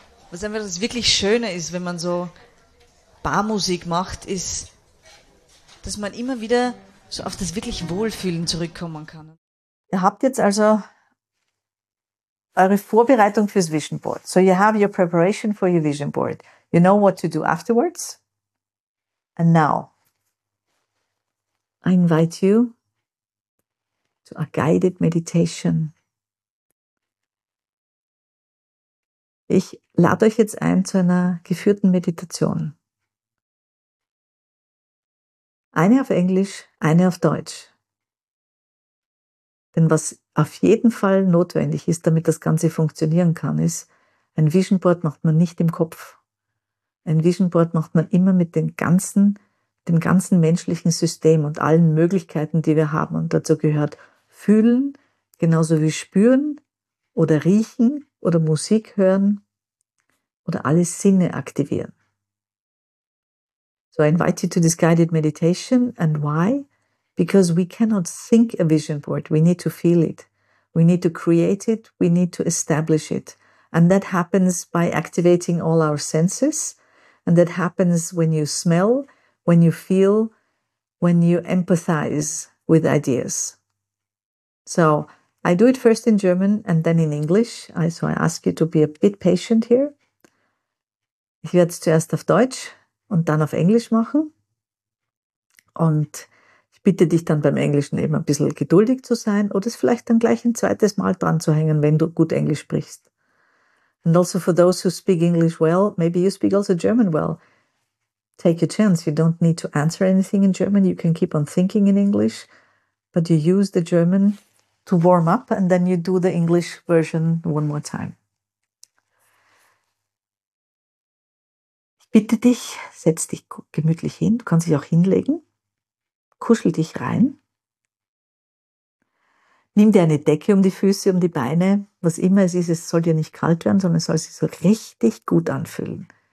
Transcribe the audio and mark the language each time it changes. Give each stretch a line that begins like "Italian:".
German: Was einfach das wirklich Schöne ist, wenn man so Barmusik macht, ist, dass man immer wieder so auf das wirklich Wohlfühlen zurückkommen kann. Ihr habt jetzt also eure Vorbereitung fürs Vision Board.
English: So you have your preparation for your Vision Board. You know what to do afterwards. And now, I invite you to a guided meditation.
German: Ich lade euch jetzt ein zu einer geführten Meditation. Eine auf Englisch, eine auf Deutsch. Denn was auf jeden Fall notwendig ist, damit das Ganze funktionieren kann, ist, ein Vision Board macht man nicht im Kopf. Ein Vision Board macht man immer mit dem ganzen menschlichen System und allen Möglichkeiten, die wir haben. Und dazu gehört fühlen, genauso wie spüren oder riechen oder Musik hören. Oder alle Sinne aktivieren.
English: So I invite you to this guided meditation. And why? Because we cannot think a vision board. We need to feel it. We need to create it. We need to establish it. And that happens by activating all our senses. And that happens when you smell, when you feel, when you empathize with ideas. So I do it first in German and then in English. So I ask you to be a bit patient here.
German: Ich werde es zuerst auf Deutsch und dann auf Englisch machen. Und ich bitte dich dann beim Englischen eben ein bisschen geduldig zu sein oder es vielleicht dann gleich ein zweites Mal dran zu hängen, wenn du gut Englisch sprichst.
English: And also for those who speak English well, maybe you speak also German well. Take your chance. You don't need to answer anything in German. You can keep on thinking in English, but you use the German to warm up and then you do the English version one more time.
German: Ich bitte dich, setz dich gemütlich hin. Du kannst dich auch hinlegen. Kuschel dich rein. Nimm dir eine Decke um die Füße, um die Beine. Was immer es ist, es soll dir nicht kalt werden, sondern es soll sich so richtig gut anfühlen.